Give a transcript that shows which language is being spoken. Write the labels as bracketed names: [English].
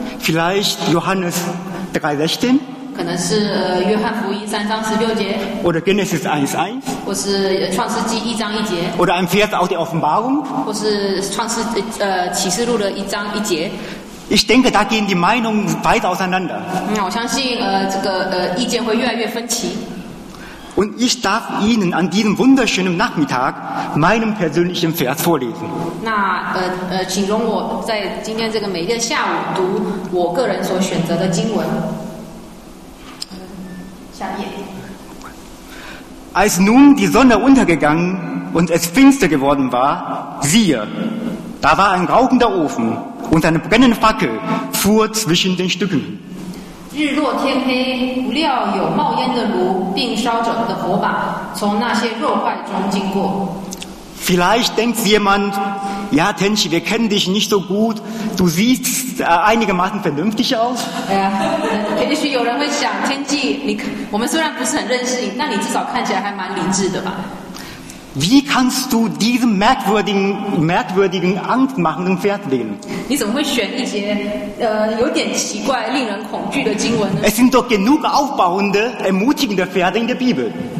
[German] Vielleicht Johannes 3:16. [Chinese] 可能是约翰福音3:16. [German] Oder Genesis 1:1. [Chinese] 或是创世纪1:1. [German] Oder ein Vers aus der Offenbarung. [Chinese] 或是启示录的1:1. [German] Ich denke, da gehen die Meinungen weit auseinander. [Chinese] 那我相信意见会越来越分歧。 [German] Und ich darf Ihnen an diesem wunderschönen Nachmittag meinen persönlichen Vers vorlesen. [Chinese] 那请容我在今天这个美丽的下午读我个人所选择的经文。下一页。 [German] Als nun die Sonne untergegangen und es finster geworden war, siehe, da war ein rauchender Ofen und eine brennende Fackel fuhr zwischen den Stücken. [Chinese] 日落天黑，不料有冒烟的炉，并烧着的火把从那些肉块中经过。 [German] Vielleicht denkt jemand, ja, Tenchi, wir kennen dich nicht so gut. Du siehst einigermaßen vernünftig aus. [Chinese] 也许有人会想，天际，你我们虽然不是很认识你，那你至少看起来还蛮理智的吧。 [German] Wie kannst du diesen merkwürdigen, angstmachenden Vers wählen? Es sind doch genug aufbauende, ermutigende Verse in der Bibel.